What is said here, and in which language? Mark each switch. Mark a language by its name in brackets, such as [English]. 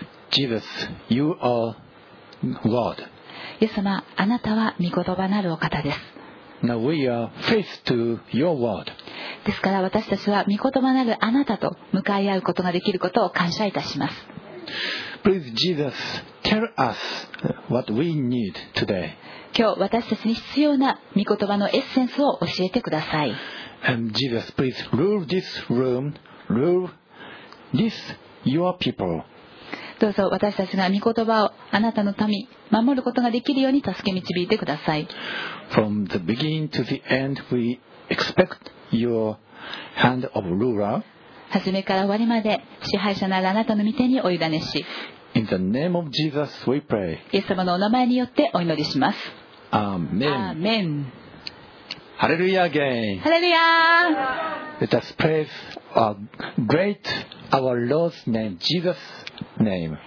[English] Jesus, you are Lord. [Japanese] イエス様、あなたは御言葉なるお方です。 [English] Now we are faced to your word. [Japanese] ですから私たちは御言葉なるあなたと向かい合うことができることを感謝いたします。 [English] Please, Jesus, tell us what we need today. [Japanese] 今日私たちに必要な御言葉のエッセンスを教えてください。 [English] And Jesus, please rule this room, rule this your people. [Japanese] どうぞ私たちが御言葉をあなたの民、守ることができるように助け導いてください。 [English] From the beginning to the end, we expect your hand of ruler. [Japanese] 始めから終わりまで支配者ならあなたの御手にお委ねし。 [English] In the name of Jesus, we pray. [Japanese] イエス様のお名前によってお祈りします。アーメン。アーメン。 [English] ハレルヤ again. [Japanese] ハレルヤ。 [English] Let us praise our great our Lord's name, Jesus' name.